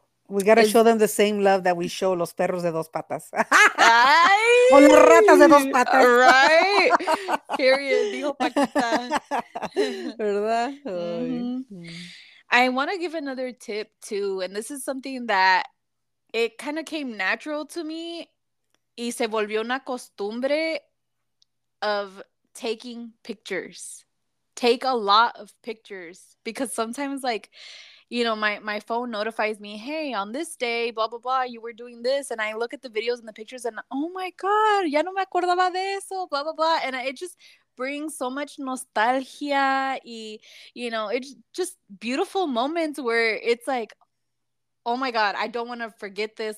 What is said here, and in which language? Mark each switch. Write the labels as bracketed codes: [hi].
[en] we got to show them the same love that we show [es] los perros de dos patas. [en] Ay, o las ratas de dos patas. Right? Period. [es] Dijo Paquita. ¿Verdad? [en] Mm-hmm. I want to give another tip, too. And this is something that it kind of came natural to me. [es] Y se volvió una costumbre [en] of taking pictures. Take a lot of pictures. Because sometimes, like... you know, my phone notifies me, hey, on this day, blah, blah, blah, you were doing this. And I look at the videos and the pictures and, oh, my God, [es] ya no me acordaba de eso, [en] blah, blah, blah. And it just brings so much nostalgia y, you know, it's just beautiful moments where it's like, oh, my God, I don't want to forget this.